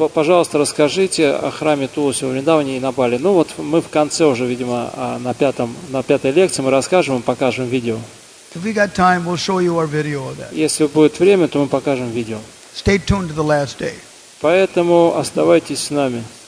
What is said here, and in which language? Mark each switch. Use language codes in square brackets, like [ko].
[ru] Пожалуйста, расскажите о храме Тулси в Вриндаване и на Бали. Ну, вот мы в конце уже, видимо, на пятой лекции мы расскажем и покажем видео. [en] If we got time, we'll show you our video of that. [ru] Если будет время, то мы покажем видео. [en] Stay tuned to the last day. [ru] Поэтому оставайтесь с нами.